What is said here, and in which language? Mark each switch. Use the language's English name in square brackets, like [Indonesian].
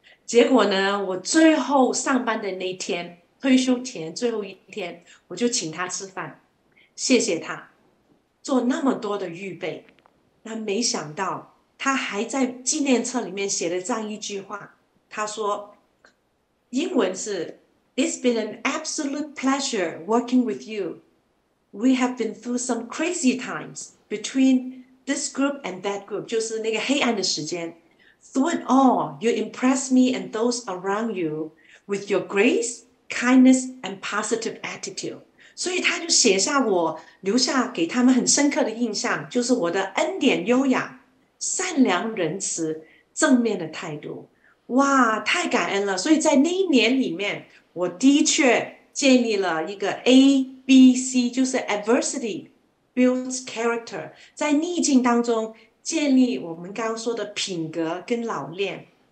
[Chinese] 结果呢，我最后上班的那天，退休前最后一天，我就请他吃饭，谢谢他做那么多的预备。那没想到他还在纪念册里面写了这样一句话，他说。英文是 [English] "It's been an absolute pleasure working with you. We have been through some crazy times between this group and that group." [Chinese] 就是那个黑暗的时间。 [English] Through it all, you impress me and those around you with your grace, kindness, and positive attitude. [Chinese] 所以他就写下我留下给他们很深刻的印象，就是我的恩典、优雅、善良、仁慈、正面的态度。哇，太感恩了！所以在那一年里面，我的确建立了一个 A B C，就是 [English] adversity builds character， [Chinese] 在逆境当中建立我们刚刚说的品格跟老练。